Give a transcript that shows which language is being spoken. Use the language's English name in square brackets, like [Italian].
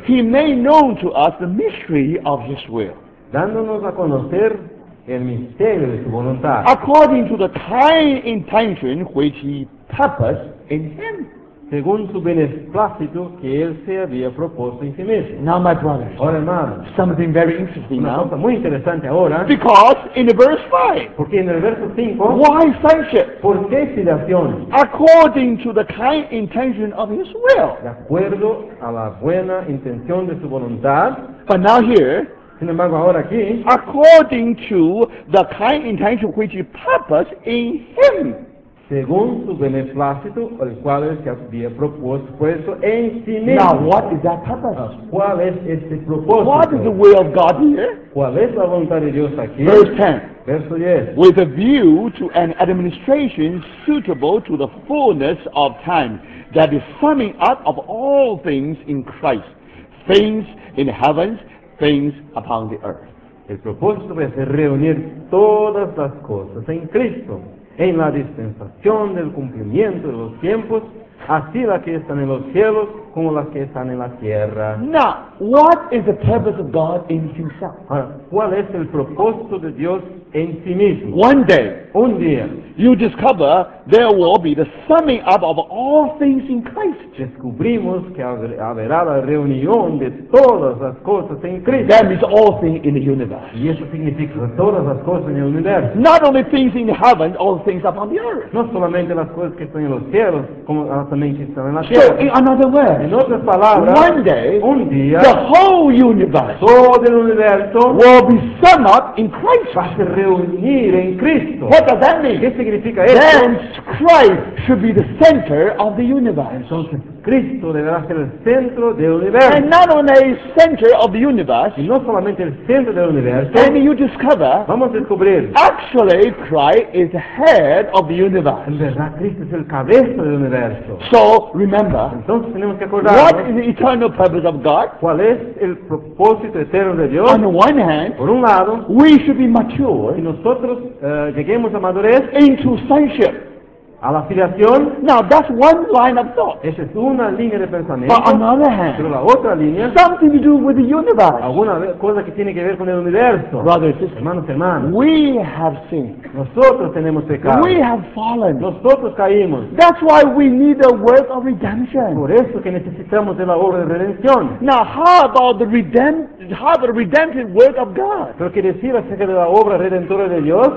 [English] He made known to us the mystery of his will. [Spanish] Dándonos a conocer el misterio de su voluntad. [English] According to the kind intention which he purposed in him. [Spanish] Según su beneplácito que él se había propuesto en sí mismo. [English] Now my brothers. [Spanish] Ahora hermano. [English] Something very interesting [Spanish] una [English] now. [Spanish] Una cosa muy interesante ahora. [English] Because in the verse 5. [Spanish] Porque en el verso 5. [English] Why friendship? [Spanish] ¿Por qué filiación? [English] According to the kind intention of his will. [Spanish] De acuerdo a la buena intención de su voluntad. [English] But now here. [Spanish] Sin embargo, ahora aquí, [English] according to the kind intention which he purposed in him. [Spanish] Según su beneplácito, el cual él se había propuesto en sí mismo. [English] Now, what is that purpose? [Spanish] ¿Cuál es este propósito? [English] What is the will of God here? [Spanish] ¿Cuál es la voluntad de Dios aquí? [English] Verse 10. [Spanish] Verso 10. [English] With a view to an administration suitable to the fullness of time, that is summing up of all things in Christ, things in heavens, things upon the earth. [Spanish] El propósito es reunir todas las cosas en Cristo, en la dispensación del cumplimiento de los tiempos, así las que están en los cielos como las que están en la tierra. [English] Now, what is the purpose of God in himself? [Spanish] Ahora, ¿cuál es el propósito de Dios en sí mismo? [English] One day, [Spanish] un día, [English] you discover there will be the summing up of all things in Christ. [Spanish] Descubrimos que habrá la reunión de todas las cosas en Cristo. [English] That means all things in the universe. [Spanish] Y eso significa todas las cosas en el universo. [English] Not only things in heaven, all things upon the earth. [Spanish] No solamente las cosas que están en los cielos, como también que están en la tierra. [English] So, in another word, [Spanish] en otras palabras, [English] one day, [Spanish] un día, [English] the whole universe, [Spanish] todo el universo, [English] will be summed up in Christ. [Spanish] Va a ser reunido en Cristo. [English] What does that mean? [Spanish] ¿Qué significa eso? [English] Then Christ should be the center of the universe. [Spanish] Entonces, Cristo deberá ser el centro del universo. [English] And not only the center of the universe, [Spanish] y no solamente el centro del universo, [English] then you discover, [Spanish] vamos a descubrir, [English] actually Christ is the head of the universe. [Spanish] En verdad, Cristo es el cabeza del universo. [English] So, remember, [Spanish] entonces, [English] what is the eternal purpose of God? [Spanish] ¿Cuál es el propósito eterno de Dios? [English] On the one hand, [Spanish] por un lado, [English] we should be mature. [Spanish] Y nosotros lleguemos a madurez. [English] Into sonship. [Spanish] A la filiación. [English] Now that's one line of thought. [Spanish] Esa es una línea de pensamiento. [English] But on the other hand, [Spanish] pero la otra línea, [English] something to do with the universe. [Spanish] Alguna cosa que tiene que ver con el universo. [English] Brothers, sisters, [Spanish] hermanos, hermanas, [English] we have sinned. [Spanish] Nosotros tenemos pecado. [English] We have fallen. [Spanish] Nosotros caímos. [English] That's why we need the work of redemption. [Spanish] Por eso que necesitamos de la obra de redención. [English] Now how about the redemptive work of God? [Spanish] Pero qué decir acerca de la obra redentora de Dios?